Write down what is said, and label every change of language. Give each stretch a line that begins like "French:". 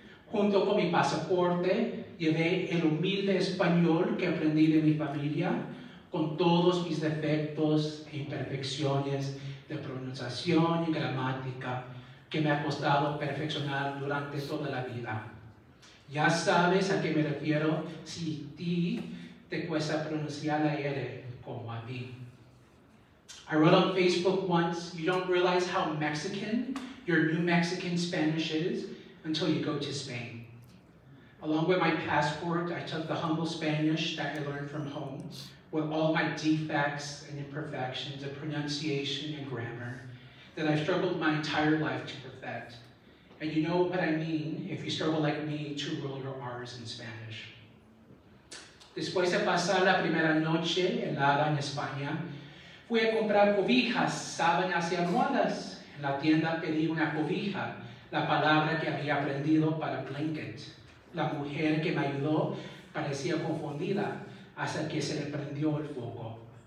Spanish: Junto con mi pasaporte, llevé el humilde español que aprendí de mi familia, con todos mis defectos e imperfecciones de pronunciación y gramática que me ha costado perfeccionar durante toda la vida. Ya sabes a qué me refiero si ti te cuesta pronunciar la R como a mí.
English: I wrote on Facebook once, you don't realize how Mexican your new Mexican Spanish is until you go to Spain. Along with my passport, I took the humble Spanish that I learned from home with all my defects and imperfections of pronunciation and grammar that I struggled my entire life to perfect. And you know what I mean if you struggle like me to roll your R's in Spanish.
Spanish: Después de pasar la primera noche helada en España, fui a comprar cobijas, sábanas y almohadas. En la tienda pedí una cobija, la palabra que había aprendido para blanket. La mujer que me ayudó parecía confundida hasta que se le prendió el foco.